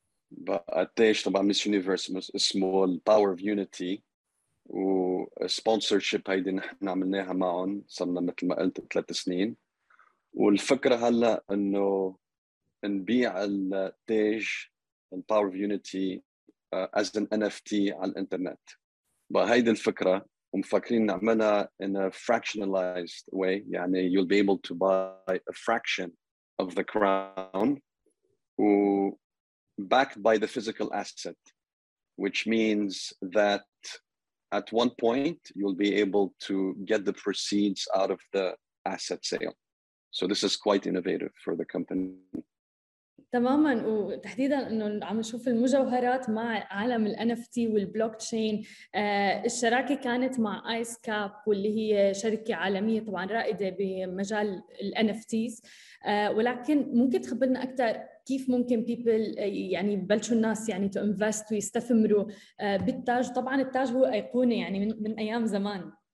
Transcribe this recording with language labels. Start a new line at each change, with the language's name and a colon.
Arabic: بقتش طبعاً Miss Universe اسمه الـ Power of Unity، و Sponsorship هايدي نحن عملناها معهم صرنا مثل ما قلت 3 سنين. والفكرة هلأ إنه نبيع التاج الـ Power of Unity
English: as an NFT
Arabic: على الإنترنت. بهيد الفكرة ومفكرين نعملها
English: in a fractionalized way،
Arabic: يعني
English: you'll be able to buy a fraction of the crown backed by the physical asset, which means that at one point you'll be able to get the proceeds out of the asset sale. So this is quite innovative for the company.
Arabic: تماماً، وتحديداً إنه عم نشوف المجوهرات مع عالم الـ NFT والبلوك تشين. الشراكة كانت مع آيس كاب، واللي هي شركة عالمية طبعاً رائدة بمجال الـ NFTs. ولكن ممكن تخبرنا أكثر كيف ممكن يعني بلشوا الناس يعني
English: to invest
Arabic: ويستثمروا بالتاج؟ طبعاً التاج هو أيقونة يعني من أيام زمان.